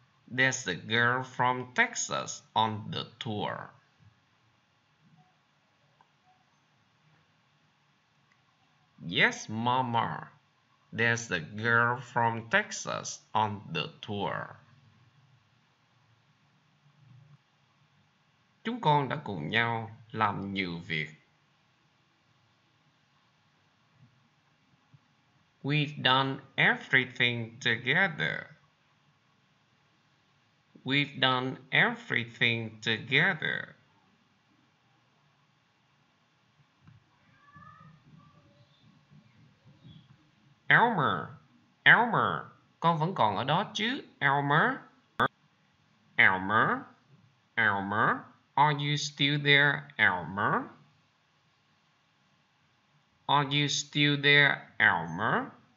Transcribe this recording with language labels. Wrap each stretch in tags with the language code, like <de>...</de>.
<en>There's a girl from Texas on the tour. Yes, Mama. There's a girl from Texas on the tour.</en> <vi>Chúng con đã cùng nhau làm nhiều việc.</vi> <en>We've done everything together. We've done everything together.</en> <vi>Elmer, Elmer, con vẫn còn ở đó chứ, Elmer?</vi> <en>Elmer, Elmer, are you still there, Elmer? Are you still there, Elmer?</en>